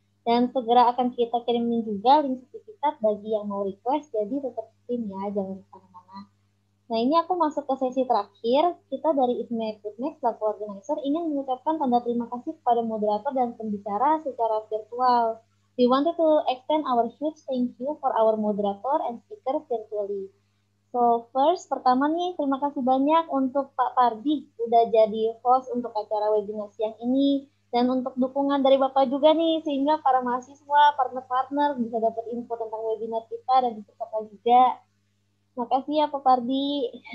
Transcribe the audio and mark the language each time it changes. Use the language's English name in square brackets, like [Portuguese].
[Indonesian] Dan segera akan kita kirimin juga link sertifikat bagi yang mau request, jadi tetap tim, ya, jangan lupa. Nah, ini aku masuk ke sesi terakhir. Kita dari IFME Putnex, selaku organizer, ingin mengucapkan tanda terima kasih kepada moderator dan pembicara secara virtual. [English] We wanted to extend our huge thank you for our moderator and speaker virtually. So, first, [Indonesian] pertama nih, terima kasih banyak untuk Pak Pardi sudah jadi host untuk acara webinar siang ini. Dan untuk dukungan dari Bapak juga nih, sehingga para mahasiswa, partner-partner bisa dapat info tentang webinar kita dan untuk Bapak juga. Makasih ya, Pak Pardi.